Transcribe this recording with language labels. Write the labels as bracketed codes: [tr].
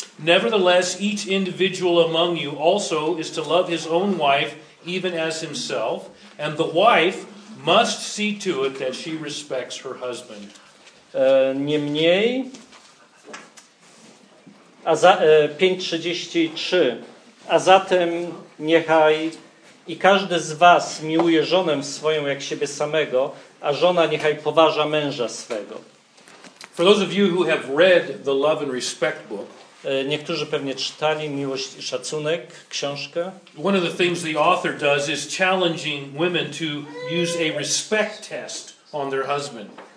[en] Nevertheless, each individual among you also is to love his own wife even as himself, and the wife must see to it that she respects her husband. [pl] Niemniej, a za 5:33, a zatem niechaj i każdy z was miłuje żonę swoją jak siebie samego, a żona niechaj poważa męża swego. [en] For those of you who have read the Love and Respect book, [pl] niektórzy pewnie czytali Miłość i Szacunek, książkę. [en] One of the things the author does is challenging women to use a respect test on their husband.